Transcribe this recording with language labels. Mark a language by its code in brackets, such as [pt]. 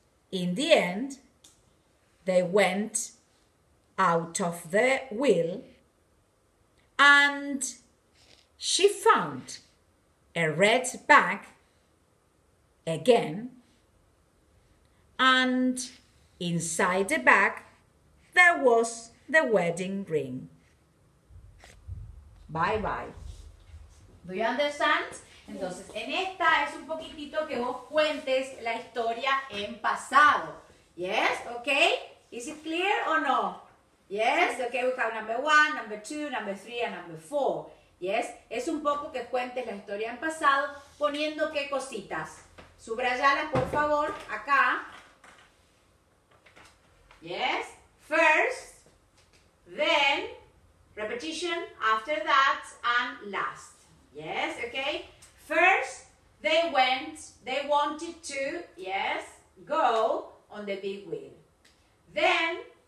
[en] In the end, they went out of the wheel and she found a red bag again, and inside the bag there was the wedding ring. Bye bye. Do you understand? [es] Entonces, en esta es un poquitito que vos cuentes la historia en pasado. [en] Yes, okay? Is it clear or no? Yes, okay, we have number one, number two, number three, and number four. [es] Yes, es un poco que cuentes la historia en pasado poniendo qué cositas. Subrayala, por favor, acá. [en] Yes, first, then, repetition, after that, and last. Yes, okay? First, they went, they wanted to, yes, go on the big wheel. Then,